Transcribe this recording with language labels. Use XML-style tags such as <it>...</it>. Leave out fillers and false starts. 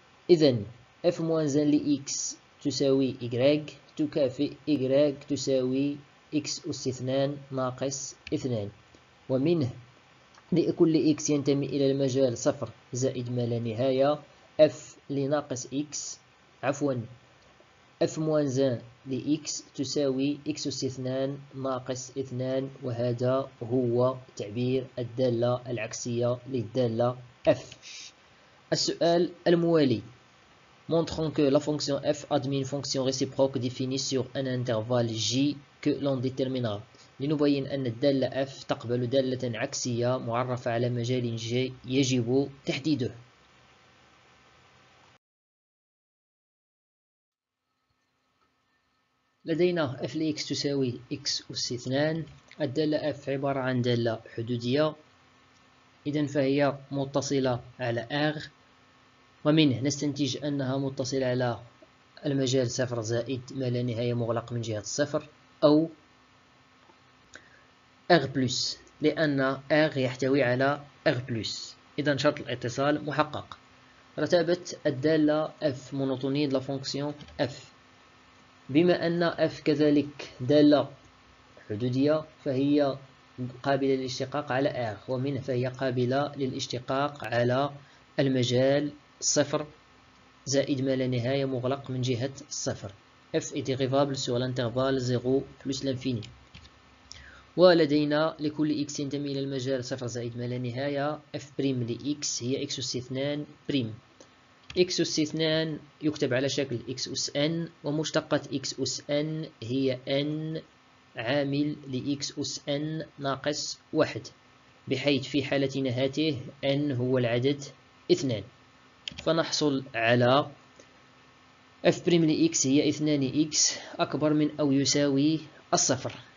<ar>إذن f موانز لx تساوي y تكافئ y تساوي x أس 2 ناقص 2، ومنه لكل x ينتمي إلى المجال صفر زائد ما لا نهاية f لناقص x عفوا f موانز لx تساوي x أس 2 ناقص 2، وهذا هو تعبير الدالة العكسية للدالة f. السؤال الموالي</ar> <fr>montrant que la fonction f admet une fonction réciproque définie sur un intervalle g que l'on déterminera.</fr> <ar>لنبين أن الدالة f تقبل دالة عكسية معرفة على مجال g يجب تحديده. لدينا f لx تساوي x أس 2. الدالة f عبارة عن دالة حدودية، إذن فهي متصلة على r، ومنه نستنتج أنها متصلة على المجال صفر زائد ما لا نهاية مغلق من جهة الصفر، أو R بلس لأن R يحتوي على R بلس. إذا شرط الاتصال محقق. رتابة الدالة F</ar> <fr>مونوتوني لا فونكسيون F.</fr> <ar>بما أن F كذلك دالة حدودية فهي قابلة للاشتقاق على R، ومن فهي قابلة للاشتقاق على المجال صفر زائد ما لا نهاية مغلق من جهة الصفر.</ar> <fr>F est dérivable sur l'intervalle 0 plus l'infini.</fr> <ar>ولدينا لكل x ينتمي الى المجال صفر زائد ما لا نهاية f بريم لx هي x أس 2 بريم. x أس 2 يكتب على شكل x أس n، ومشتقة x أس n هي n عامل لx أس n ناقص 1، بحيث في حالتنا هاته n هو العدد 2، فنحصل على f بريم لx هي 2x أكبر من أو يساوي الصفر.</ar>